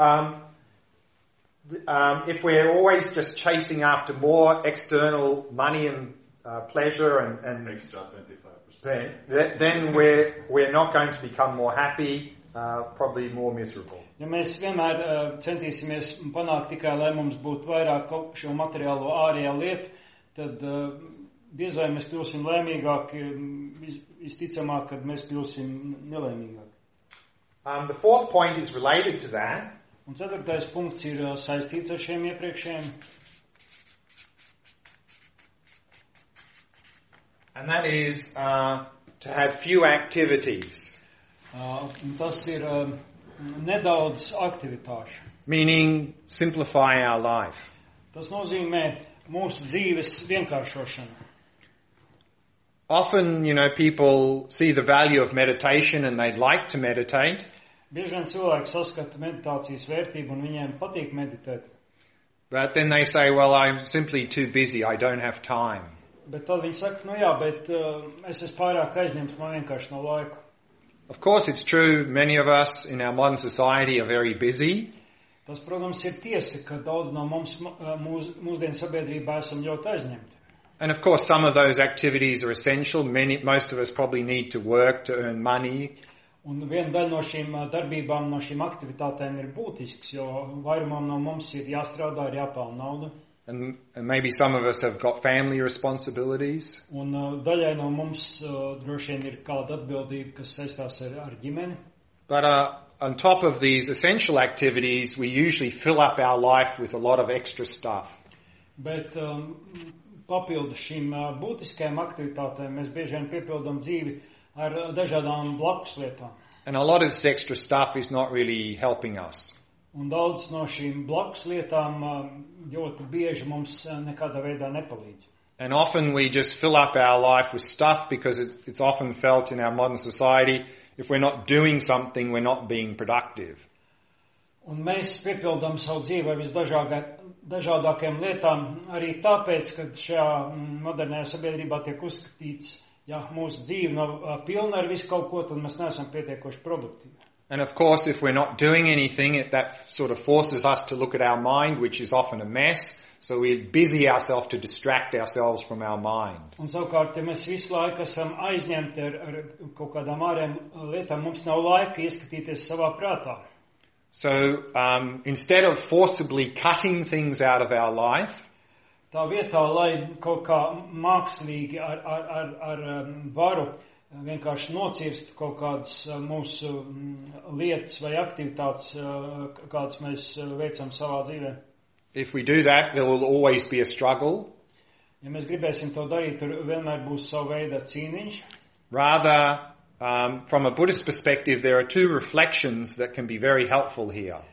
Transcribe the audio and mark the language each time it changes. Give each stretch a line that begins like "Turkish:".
English: So, if we're always just chasing after more external money and pleasure and extra 25%, then we're not going to become more happy, probably more miserable.
Latvian: Ja mēs vienmēr centīsimies panākt tikai, lai mums būtu vairāk šo materiālo ārējā lietu, tad diez vai mēs kļūsim laimīgāki, visticamāk, kad mēs kļūsim nelaimīgāki.
English: The fourth point is related to that.
Latvian: Un ceturtais punkts ir saistīts ar šiem iepriekšējiem.
English: And that is to have few activities.
Latvian: Un tas ir nedaudz aktivitāšu.
English: Meaning simplify our life.
Latvian: Tas nozīmē mūsu dzīves vienkāršošanu.
English: Often, you know, people see the value of meditation and they'd like to meditate.
Latvian: Bieži vien cilvēki saskata meditācijas vērtību un viņiem patīk meditēt.
English: But then they say, well, I'm simply too busy, I don't have time.
Latvian: Bet tad viņi saka, nu jā, bet es pārāk aizņemts, man vienkārši nav laiku.
English: Of course, it's true, many of us in our modern society are very busy.
Latvian: Tas, protams, ir tiesa, ka daudz no mums mūsdienu sabiedrībā esam ļoti aizņemti.
English: And of course, some of those activities are essential. Most of us probably need to work to earn money.
Latvian: Un viena daļa no šīm darbībām, no šīm aktivitātēm ir būtisks, jo vairumam no mums ir jāstrādā, ir jāpelna nauda.
English: And maybe some of us have got family responsibilities.
Latvian: Un daļai no mums droši vien ir kāda atbildība, kas saistās ar ģimeni.
English: But on top of these essential activities, we usually fill up our life with a lot of extra stuff.
Latvian: Bet papildu šīm būtiskajām aktivitātēm mēs bieži vien piepildam dzīvi ar dažādām blakus lietām.
English: And a lot of this extra stuff is not really helping us.
Latvian: Un daudz no šīm blakus lietām ļoti bieži mums nekādā veidā nepalīdz.
English: And often we just fill up our life with stuff because it's often felt in our modern society if we're not doing something, we're not being productive.
Latvian: Un mēs piepildam savu dzīvi ar visdažādākajām lietām arī tāpēc, ka šajā modernajā sabiedrībā tiek uzskatīts, ja mūsu dzīve nav pilna ar visu kaut ko, tad mēs neesam pietiekoši produktīvi.
English: And of course, if we're not doing anything, that sort of forces us to look at our mind, which is often a mess. So we busy ourselves to distract ourselves from our mind.
Latvian: Un savukārt, ja mēs visu laiku esam aizņemti ar kaut kādām ārējām lietām, mums nav laika ieskatīties savā prātā.
English: So instead of forcibly cutting things out of our life,
Latvian: tā vietā, lai kaut kā mākslīgi ar varu vienkārši nocirst kaut kādas mūsu lietas vai aktivitātes, kādas mēs veicam savā dzīvē.
English: If we do that, there will always be a struggle.
Latvian: Ja mēs gribēsim to darīt, tur vienmēr būs savu veidu cīniņš.
English: Rather, from a Buddhist perspective, there are two reflections that can be very helpful here.